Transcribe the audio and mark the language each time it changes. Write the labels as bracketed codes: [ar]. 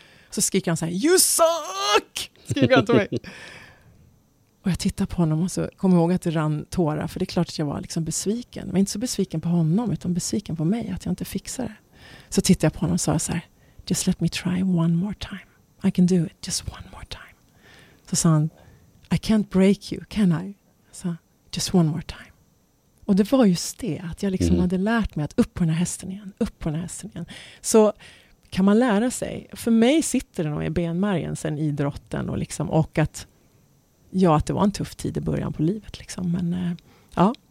[sv] Så skriker han så här, [en] "You suck!" [sv] skriker han till mig. Och jag tittar på honom och så kommer jag ihåg att det rann tårar. För det är klart att jag var liksom besviken. Men inte så besviken på honom, utan besviken på mig. Att jag inte fixar det. Så tittar jag på honom och sa så här, [en] "Just let me try one more time. I can do it just one more time." [sv] Så sa han, [en] "I can't break you, can I?" [sv] Så [en] "just one more time." [sv] Och det var just det. Att jag liksom hade lärt mig att upp på den här hästen igen. Upp på den här hästen igen. Så kan man lära sig. För mig sitter det nog i benmärgen sen idrotten. Och liksom, och att... ja, att det var en tuff tid i början på livet liksom, men ja.